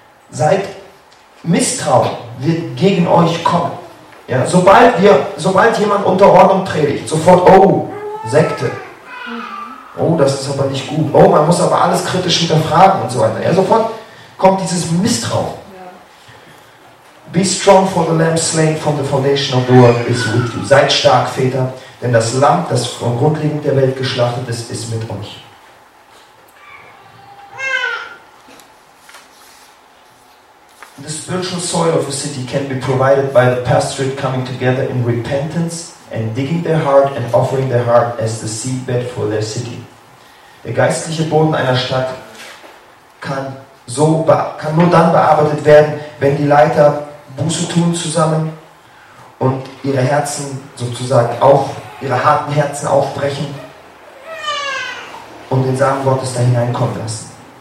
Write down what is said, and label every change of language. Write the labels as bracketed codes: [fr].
[de] Seid Misstrauen wird gegen euch kommen. Ja, sobald jemand Unterordnung predigt, sofort, oh, Sekte. Oh, das ist aber nicht gut. Oh, man muss aber alles kritisch hinterfragen und so weiter. Ja, sofort kommt dieses Misstrauen. [en] Be strong for the lamb slain from the foundation of the world is with you. [de] Seid stark, Väter, denn das Lamm, das von Grundlegung der Welt geschlachtet ist, ist mit euch. [en] The spiritual soil of a city can be provided by the pastorate coming together in repentance and digging their heart and offering their heart as the seedbed for their city. [de] Der geistliche Boden einer Stadt kann so kann nur dann bearbeitet werden, wenn die Leiter Buße tun zusammen und ihre Herzen sozusagen auf, ihre harten Herzen aufbrechen und den Samen Gottes da hineinkommen lassen.